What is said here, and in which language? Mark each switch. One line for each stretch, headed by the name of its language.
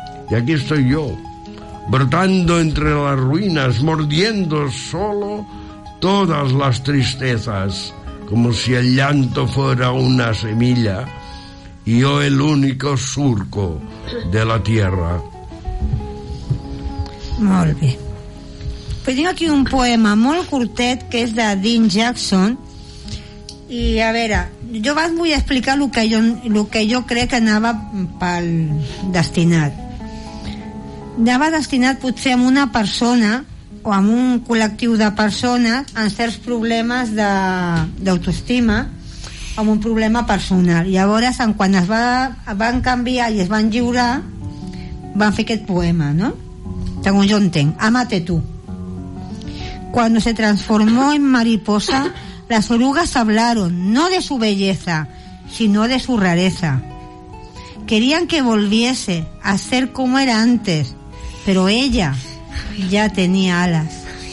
Spanish: Y aquí estoy yo, brotando entre las ruinas, mordiendo solo todas las tristezas, como si el llanto fuera una semilla y yo el único surco de la tierra.
Catalan: Molt bé. Pues tinc aquí un poema molt curtet que és de Dean Jackson. I a veure, jo vas vull explicar lo que jo crec que anava pel destinat. Anava destinat potser amb una persona o amb un col·lectiu de persones amb certs problemes d'autoestima, amb un problema personal. Llavors, quan es van canviar i es van lliurar, van fer aquest poema, no? Segons jo entenc, Amate tú.
Spanish: Cuando se transformó en mariposa, las orugas hablaron, no de su belleza, sino de su rareza. Querían que volviese a ser como era antes, pero ella
Catalan: ja tenia ales.